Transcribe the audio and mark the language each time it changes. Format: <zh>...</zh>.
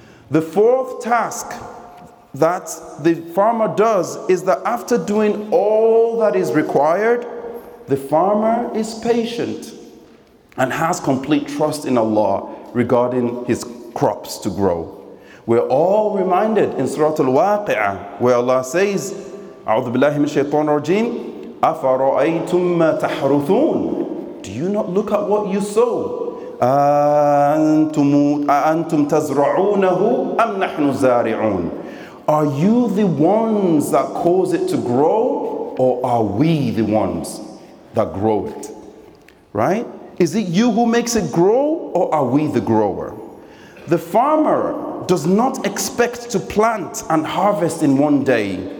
<en>The fourth task that the farmer does is that after doing all that is required, the farmer is patient and has complete trust in Allah regarding his crops to grow. We're all reminded in Surah Al-Waqi'ah where Allah says,</en> <ar>أعوذ بالله من الشيطان الرجيم أفرأيتم ما تحرثون.</ar> <en>Do you not look at what you sow?</en> <ar>أأنتم تزرعونه أم نحن زارعون.</ar> <en>Are you the ones that cause it to grow, or are we the ones that grow it? Right? Is it you who makes it grow, or are we the grower? The farmer does not expect to plant and harvest in one day.</en>